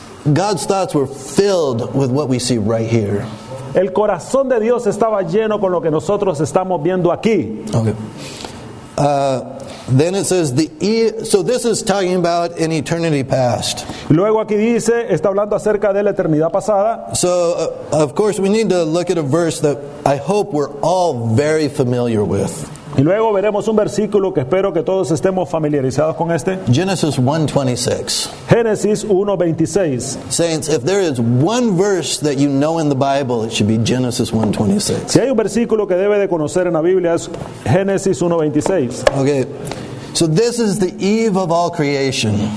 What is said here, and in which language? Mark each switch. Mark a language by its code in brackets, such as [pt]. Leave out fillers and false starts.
[en] God's thoughts were filled with what we see right here. [es] El corazón de Dios estaba lleno con lo que nosotros estamos viendo aquí. [en] Okay. Then it says so this is talking about an eternity past. [es] Luego aquí dice está hablando acerca de la eternidad pasada. [en] So of course we need to look at a verse that I hope we're all very familiar with. [es] Y luego veremos un versículo que espero que todos estemos familiarizados con este. [en] Genesis 1:26. [es] Génesis 1:26. [en] Saints, if there is one verse that you know in the Bible, it should be Genesis 1:26. [es] Si hay un versículo que debe de conocer en la Biblia es Génesis 1:26. [en] Okay. So this is the eve of all creation.